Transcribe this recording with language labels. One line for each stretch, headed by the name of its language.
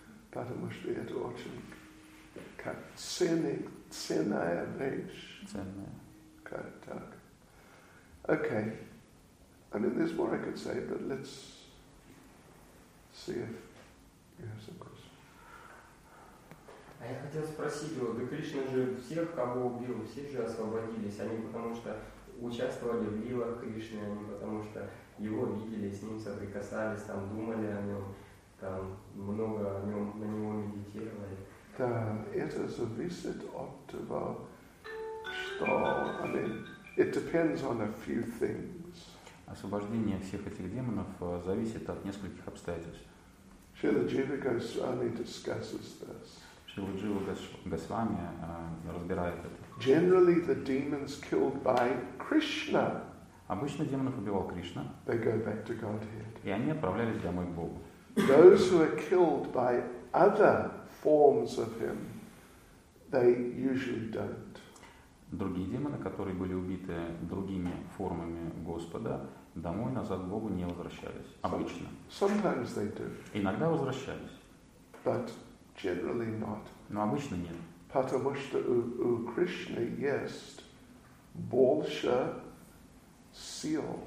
Russian: Потому что это очень как ценная вещь. Ценная. Как так.
English: Okay. I mean, there's more I could say, but let's see if you have some questions.
Russian: Я хотел спросить его, да Кришна же всех, кого убил, все же освободились, они потому что участвовали в лилах Кришны, они потому что его видели, с ним соприкасались, там думали о нем, там много о нем, на него медитировали. Да, это зависит от того, что,
English: I mean, it depends on a few things.
Russian: Освобождение всех этих демонов зависит от нескольких обстоятельств.
English: Шрила Джива Госвами discusses this.
Russian: Шрила Джива Госвами разбирает это.
English: Generally the demons killed by Krishna.
Russian: Обычно демонов убивал Кришна.
English: They go back to Godhead.
Russian: И они отправлялись домой к Богу.
English: Those who are killed by other forms of him, they usually don't.
Russian: Другие демоны, которые были убиты другими формами Господа, домой назад к Богу не возвращались. Обычно.
English: Sometimes they do.
Russian: Иногда возвращались.
English: But generally not.
Russian: Но обычно нет. Потому что у Кришны есть больше сил.